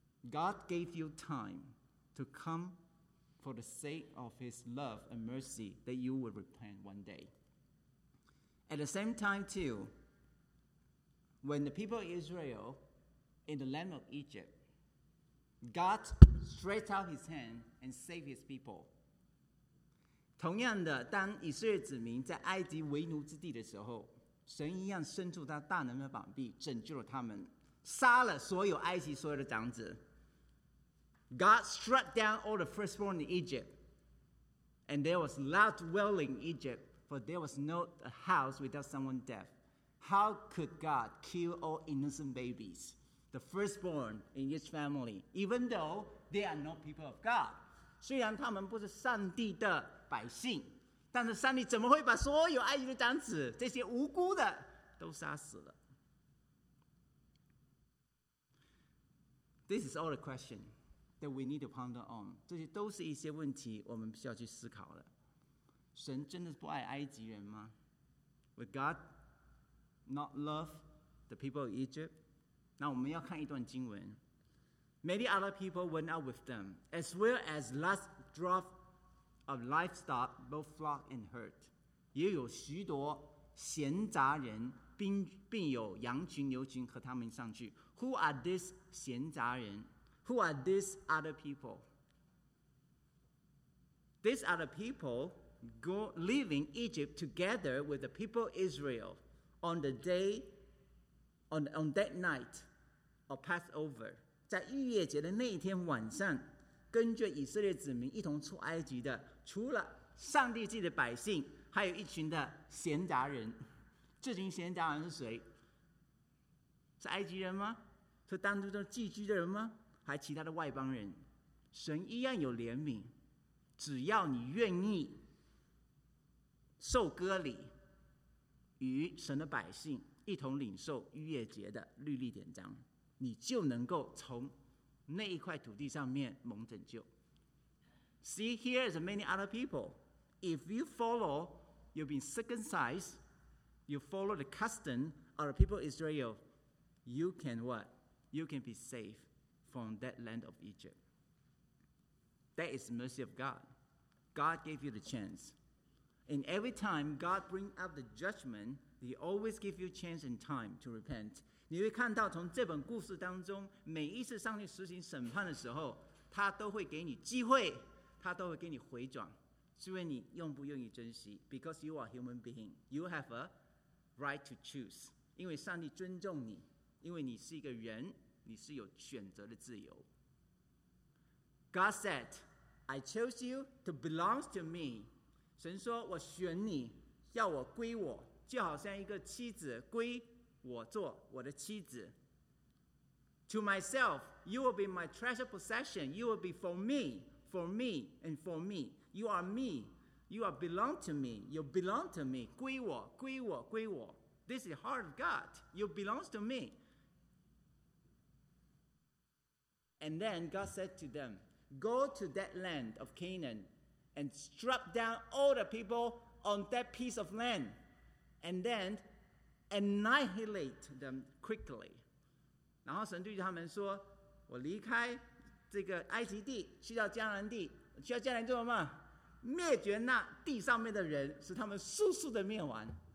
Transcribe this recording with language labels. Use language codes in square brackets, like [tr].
[en] God gave you time to come for the sake of his love and mercy that you will repent one day. At the same time too, when the people of Israel in the land of Egypt, God stretched out his hand and saved his people. [zh] 同样的，当以色列子民在埃及为奴之地的时候，神一样伸出他大能的膀臂拯救了他们，杀了所有埃及所有的长子。 [en] God struck down all the firstborn in Egypt, and there was loud wailing in Egypt, for there was no house without someone deaf. How could God kill all innocent babies, the firstborn in each family, even though they are not people of God? [zh] 虽然他们不是上帝的百姓，但是上帝怎么会把所有埃及的长子这些无辜的都杀死了？ [en] This is all the question that we need to ponder on. [zh] 这些都是一些问题我们需要去思考的。神真的不爱埃及人吗？ [en] Would God not love the people of Egypt? [zh] 那我们要看一段经文。 [en] Many other people went out with them, as well as last drop of livestock, both flock and herd. [zh] 也有许多闲杂人，并有羊群、牛群和他们上去。 [en] Who are these 闲杂人？Who are these other people? These are the people leaving Egypt together with the people of Israel on that night of Passover. [zh] 在逾越节的那一天晚上，跟着以色列子民一同出埃及的，除了上帝自己的百姓，还有一群的闲杂人。这群闲杂人是谁？是埃及人吗？是当初的寄居的人吗？还其他的外邦人？神一样有怜悯，只要你愿意受割礼，与神的百姓一同领受逾越节的律例典章，你就能够从那一块土地上面蒙拯救。 [en] See, here is many other people. If you follow, you've been circumcised, you follow the custom of the people of Israel, you can what? You can be saved from that land of Egypt. That is the mercy of God. God gave you the chance. And every time God brings up the judgment, he always gives you chance and time to repent. [zh] 你会看到从这本故事当中，每一次上帝实行审判的时候，他都会给你机会，他都会给你回转，是为你用不用于珍惜。 [en] Because you are human being, you have a right to choose. [zh] 因为上帝尊重你，因为你是一个人，你是有选择的自由。 [en] God said, I chose you to belong to me. [zh] 神说我选你要我归我，就好像一个妻子归我做我的妻子。 [en] To myself, you will be my treasure possession. You will be for me, for me, and for me. You are me. You are belong to me. You belong to me. [zh] 归我，归我，归我。 [en] This is heart of God. You belong to me. And then God said to them, go to that land of Canaan and strike down all the people on that piece of land. And then annihilate them quickly. [zh] 然后神对他们说，我离开这个埃及地，去到迦南地，去到迦南地做什么？灭绝那地上面的人，使他们速速的灭亡。